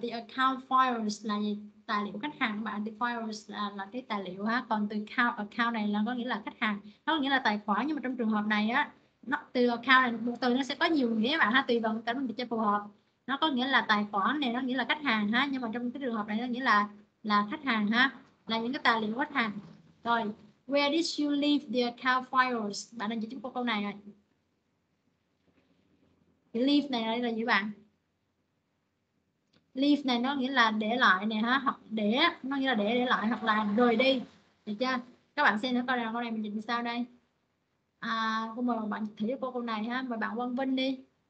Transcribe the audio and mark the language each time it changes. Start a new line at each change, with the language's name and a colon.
English: The account files
Vietnamese: là gì? Tài liệu khách hàng các bạn, the files là cái tài liệu ha, còn từ account này là có nghĩa là khách hàng. Nó có nghĩa là tài khoản, nhưng mà trong trường hợp này á, nó từ account này một từ nó sẽ có nhiều nghĩa bạn ha, tùy vào cái mình cho phù hợp. Nó có nghĩa là tài khoản này, nó nghĩa là khách hàng ha, nhưng mà trong cái trường hợp này nó nghĩa là khách hàng ha, là những cái tài liệu khách hàng.
English: Rồi, where did you leave the account files?
Vietnamese: Bạn đang chỉ chúng câu này rồi. Leave này là gì bạn? Leave này nó nghĩa là để lại này ha, hoặc để, nó nghĩa là để lại hoặc là rời đi, được chưa? Các bạn xem nữa coi nào, câu này mình dịch sao đây. Cô mời bạn thử cho cô câu này ha, mời bạn Quang Vinh đi.